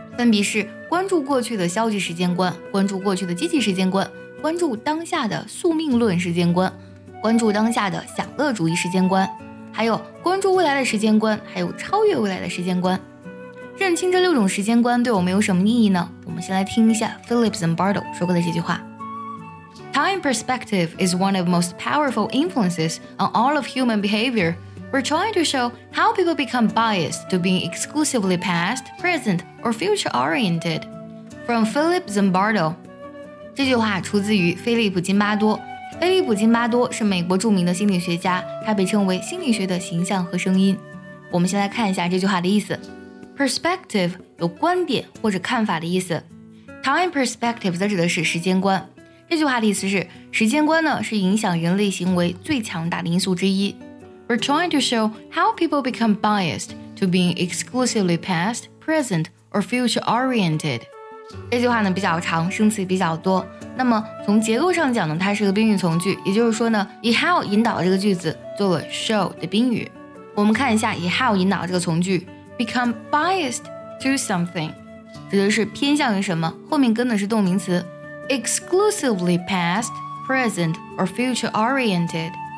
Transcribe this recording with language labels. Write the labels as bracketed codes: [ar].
[zh] 分别是关注过去的消极时间观，关注过去的积极时间观，关注当下的宿命论时间观，关注当下的享乐主义时间观，还有关注未来的时间观，还有超越未来的时间观。认清这六种时间观对我们有什么意义呢？我们先来听一下 Philip Zimbardo 说过的这句话。 [en] Time perspective is one of the most powerful influences on all of human behavior. We're trying to show how people become biased to being exclusively past, present,or future-oriented. From Philip Zimbardo. [zh] 这句话出自于菲利普·津巴多。菲利普·津巴多是美国著名的心理学家，他被称为心理学的形象和声音。我们先来看一下这句话的意思。Perspective 有观点或者看法的意思。 Time perspective 则指的是时间观。这句话的意思是，时间观呢，是影响人类行为最强大的因素之一。 We're trying to show how people become biased to being exclusively past, present,or future-oriented. 这句话呢比较长，生词比较多。那么从结构上讲呢，它是个宾语从句，也就是说呢，以 how 引导这个句子做了 show 的宾语。我们看一下以 how 引导这个从句 become biased to something，指的是偏向于什么，后面跟的是动名词 exclusively past, present, or future-oriented。